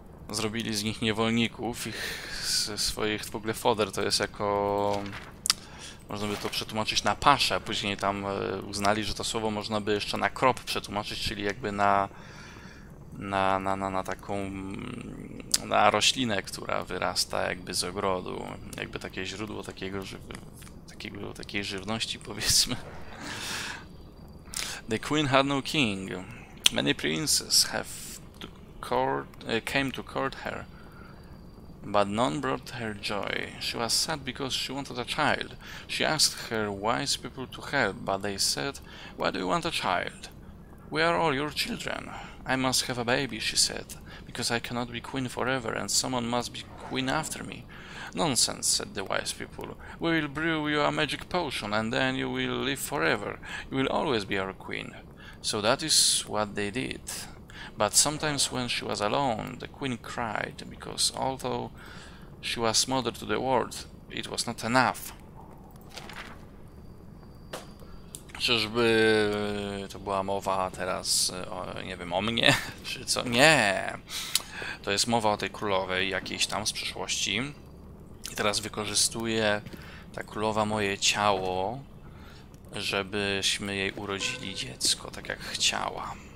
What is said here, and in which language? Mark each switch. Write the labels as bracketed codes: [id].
[pl] Zrobili z nich niewolników, ich ze swoich w ogóle fodder, to jest jako, można by to przetłumaczyć na paszę, później tam uznali, że to słowo można by jeszcze na krop przetłumaczyć, czyli jakby na taką, na roślinę, która wyrasta jakby z ogrodu, jakby takie źródło takiego, żeby, takiej żywności, powiedzmy. [en] The queen had no king. Many princes have came to court her, but none brought her joy. She was sad because she wanted a child. She asked her wise people to help, but they said, "Why do you want a child? We are all your children. I must have a baby," she said, "because I cannot be queen forever, and someone must be queen after me." "Nonsense," said the wise people. "We will brew you a magic potion, and then you will live forever. You will always be our queen." So that is what they did. But sometimes when she was alone, the queen cried, because although she was mother to the world, it was not enough. [pl] Czyżby to była mowa teraz, o, nie wiem, o mnie, czy co? Nie! To jest mowa o tej królowej jakiejś tam z przeszłości. I teraz wykorzystuje ta królowa moje ciało, żebyśmy jej urodzili dziecko, tak jak chciała.